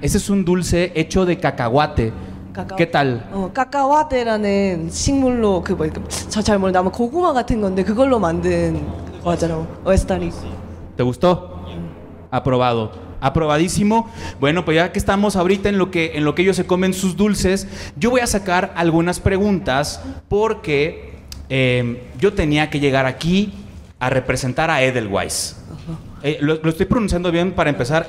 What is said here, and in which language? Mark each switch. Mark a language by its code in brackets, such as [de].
[es] Ese es un dulce hecho de cacahuate. ¿Qué tal? [ko] Cacahuate라는 식물로 그 뭐 저 잘 모르는데 아마 고구마 같은 건데 그걸로 만든 거잖아요. 오스타리. [es] ¿Te gustó? Aprobado. Aprobadísimo. Bueno, pues ya que estamos ahorita en lo que ellos se comen sus dulces, yo voy a sacar algunas preguntas porque yo tenía que llegar aquí a representar a Edelweiss. ¿Lo estoy pronunciando bien para empezar?